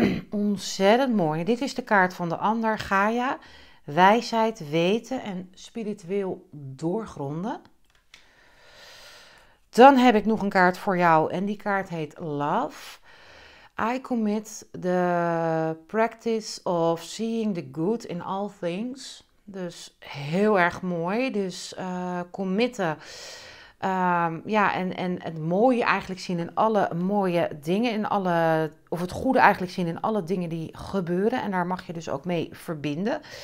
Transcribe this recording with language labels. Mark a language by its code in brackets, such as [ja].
[nl] Ontzettend mooi. Dit is de kaart van de ander, Gaia. Wijsheid, weten en spiritueel doorgronden. Dan heb ik nog een kaart voor jou en die kaart heet Love. [en] I commit the practice of seeing the good in all things. [nl] Dus heel erg mooi. Dus committen. En het mooie eigenlijk zien in alle mooie dingen. Of het goede eigenlijk zien in alle dingen die gebeuren. En daar mag je dus ook mee verbinden.